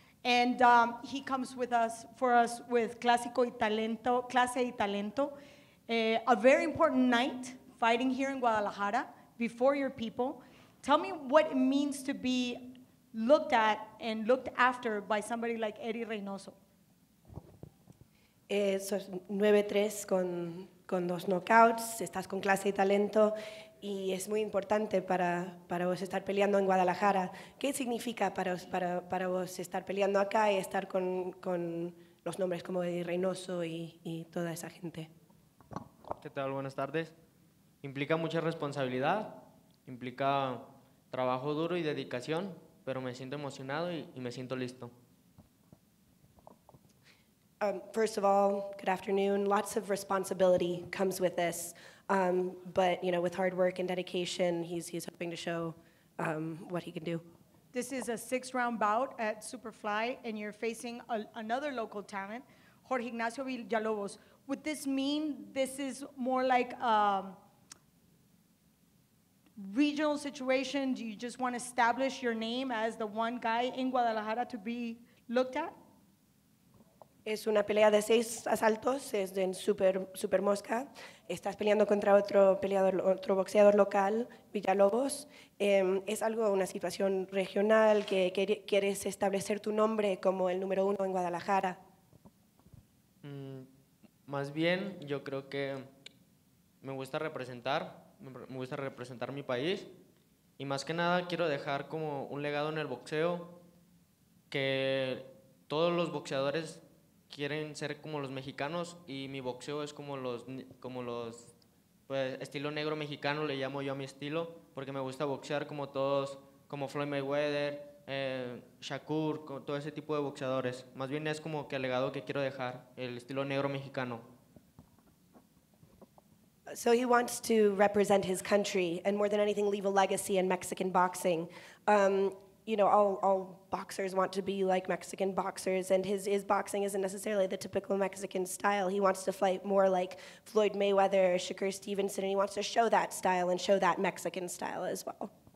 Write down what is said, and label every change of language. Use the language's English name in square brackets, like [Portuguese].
[English] And he comes for us with Clase y Talento, a very important night fighting here in Guadalajara before your people. Tell me what it means to be looked at and looked after by somebody like Eddie Reynoso. [Spanish] Eso es 9-3 con 2 knockouts, estás con Clase y Talento y es muy importante para vos estar peleando en Guadalajara. ¿Qué significa para vos estar peleando acá y estar con los nombres como Eddie Reynoso y toda esa gente? ¿Qué tal? Buenas tardes. Implica mucha responsabilidad, implica trabajo duro y dedicación, pero me siento emocionado y me siento listo. [English] First of all, good afternoon. Lots of responsibility comes with this, but you know, with hard work and dedication, he's hoping to show what he can do. This is a 6-round bout at Superfly, and you're facing another local talent, Jorge Ignacio Villalobos. Would this mean this is more like a regional situation? Do you just want to establish your name as the one guy in Guadalajara to be looked at? [Spanish] Es una pelea de 6 asaltos, es en Super Mosca. Estás peleando contra otro boxeador local, Villalobos. Es algo, una situación regional, que quieres establecer tu nombre como el número 1 en Guadalajara. Más bien, yo creo que me gusta representar mi país. Y más que nada, quiero dejar como un legado en el boxeo, que todos los boxeadores quieren ser como los mexicanos y mi boxeo es como los pues estilo negro mexicano le llamo yo a mi estilo porque me gusta boxear como todos, como Floyd Mayweather, Shakur, todo ese tipo de boxeadores. Más bien es como que el legado que quiero dejar, el estilo negro mexicano. [English] So he wants to represent his country and more than anything leave a legacy in Mexican boxing. You know, all boxers want to be like Mexican boxers, and his boxing isn't necessarily the typical Mexican style. He wants to fight more like Floyd Mayweather, Shakur Stevenson, and he wants to show that style and show that Mexican style as well.